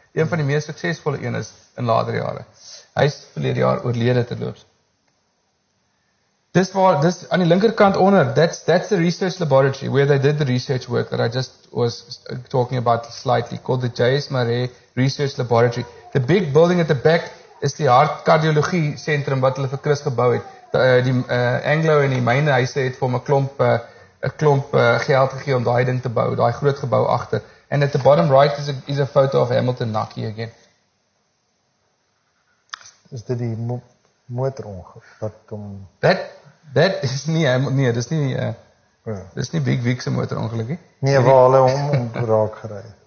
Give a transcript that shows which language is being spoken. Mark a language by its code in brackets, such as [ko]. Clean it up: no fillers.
[af] Een van die meest suksesvolle een is in later jare. Hy is verlede jaar oorlede terloops. Dis aan die linkerkant onder, [en] that's the research laboratory where they did the research work that I just was talking about slightly, called the J.S. Marais Research Laboratory. The big building at the back is [af] die hartkardiologie sentrum wat hulle vir Chris gebou het. Die Anglo en die mynhuise het vir hom 'n klomp geld gegee om daai ding te bou, daai groot gebou agter. [en] And at the bottom right is a photo of Hamilton Nucky again. [af] Is dit die motorongeluk wat hom... [en] That is [af] nie, nee, dis nie, dis nie Big Vic se motorongeluk nie. Nee, waar hulle hom raak gery het.